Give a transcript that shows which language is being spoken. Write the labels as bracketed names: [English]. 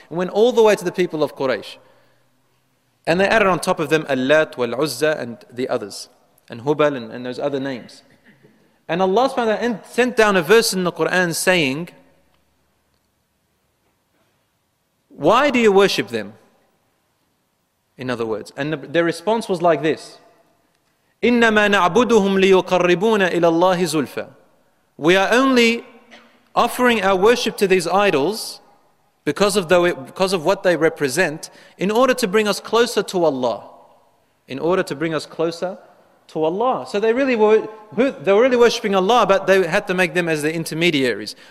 [English] And went all the way to the people of Quraysh. And they added on top of them Al-Lat wal-Uzza and the others. And Hubal and those other names. And Allah subhanahu wa ta'ala sent down a verse in the Quran saying, why do you worship them? In other words. And their response was like this. [Arabic] إنما نعبدهم ليقربونا إلى الله زلفا. [English] We are only offering our worship to these idols because of what they represent, in order to bring us closer to Allah. In order to bring us closer to Allah. So they were really worshiping Allah, but they had to make them as the intermediaries.